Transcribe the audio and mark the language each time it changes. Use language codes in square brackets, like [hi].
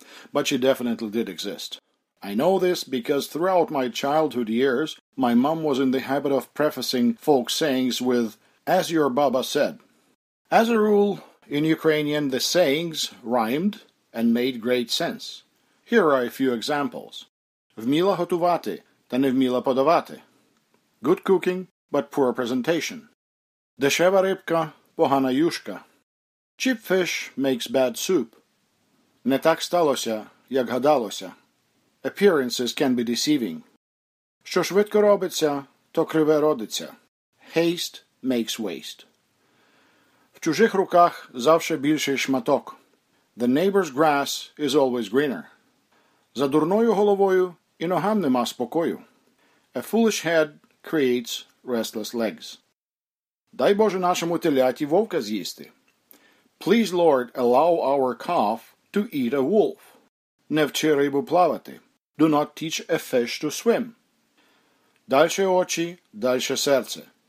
[en] But she definitely did exist. I know this because throughout my childhood years, my mom was in the habit of prefacing folk sayings with, "As your Baba said." As a rule, in Ukrainian, the sayings rhymed and made great sense. Here are a few examples. [uk] Вміла готувати, та не вміла подавати. [en] Good cooking, but poor presentation. [uk] Дешева рибка, погана юшка. [en] Cheap fish makes bad soup. [uk] Не так сталося, як гадалося. [en] Appearances can be deceiving. [uk] Що швидко робиться, то криве родиться. [en] Haste makes waste. [uk] В чужих руках завше більший шматок. [en] The neighbor's grass is always greener. [uk] За дурною головою і ногам нема спокою. [en] A foolish head creates restless legs. [uk] Дай Боже нашому теляті вовка з'їсти. [en] Please, Lord, allow our calf to eat a wolf. [uk] Не вчи рибу плавати. [en] Do not teach a fish to swim. [uk] Дальше очі, дальше серце.